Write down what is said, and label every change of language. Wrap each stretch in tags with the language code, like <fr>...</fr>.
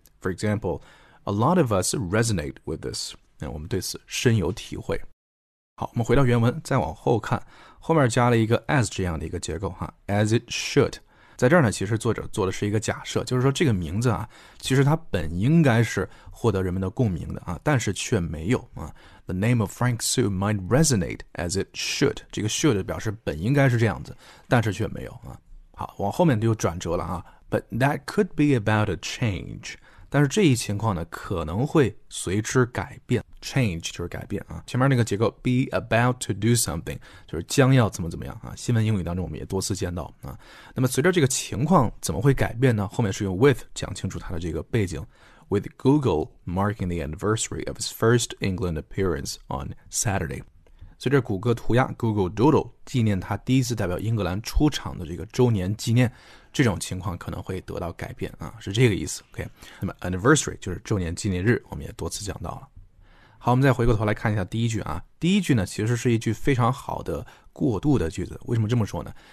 <en>For example, a lot of us resonate with this。</en> <zh>那我们对此深有体会。好，我们回到原文，再往后看，后面加了一个 as 这样的一个结构哈，</zh> <en>as it should。</en> <zh>在这儿呢，其实作者做的是一个假设，就是说这个名字啊，其实它本应该是获得人们的共鸣的啊，但是却没有啊。</zh> <en>The name of Frank Sue might resonate as it should，</en> <zh>这个 should 表示本应该是这样子，但是却没有啊。好，往后面就转折了啊。</zh> <en>But that could be about a change，</en> <zh>但是这一情况呢，可能会随之改变。 Change 就是改变啊，前面那个结构</zh> <en>be about to do something</en> <zh>就是将要怎么怎么样啊。新闻英语当中我们也多次见到啊。那么随着这个情况怎么会改变呢？后面是用 with 讲清楚它的这个背景。</zh> <en>With Google marking the anniversary of his first England appearance on Saturday，</en> <zh>随着谷歌涂鸦 Google Doodle 纪念他第一次代表英格兰出场的这个周年纪念，这种情况可能会得到改变啊，是这个意思。OK， 那么 anniversary 就是周年纪念日，我们也多次讲到了。好，我们再回过头来看一下第一句啊。第一句呢，其实是一句非常好的过渡的句子。为什么这么说呢？</zh>